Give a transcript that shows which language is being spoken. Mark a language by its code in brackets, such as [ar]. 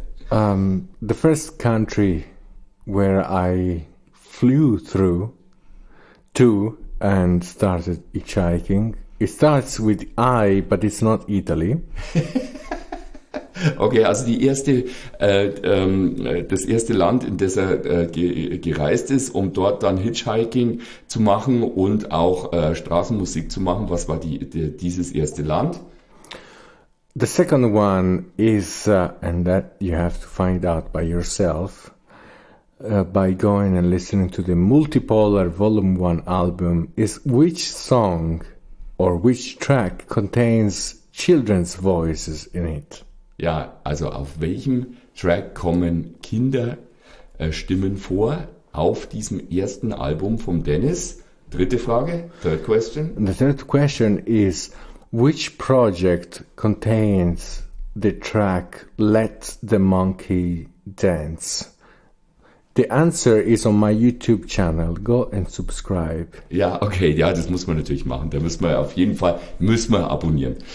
[en] the first country where I flew through to and started hitchhiking. It starts with I, but it's not Italy. [de] Okay, also die erste, das erste Land, in das er gereist ist, um dort dann Hitchhiking zu machen und auch Straßenmusik zu machen. Was war dieses erste Land? [en] The second one is, and that you have to find out by yourself, by going and listening to the Multipolar Volume 1 album, is which song or which track contains children's voices in it? [de] Ja, also auf welchem Track kommen Kinderstimmen vor auf diesem ersten Album von Dennis? Dritte Frage, [en] third question. And the third question is, which project contains the track Let the Monkey Dance? The answer is on my YouTube channel. Go and subscribe. [de] Ja, okay. Ja, das muss man natürlich machen. Da müssen wir auf jeden Fall abonnieren.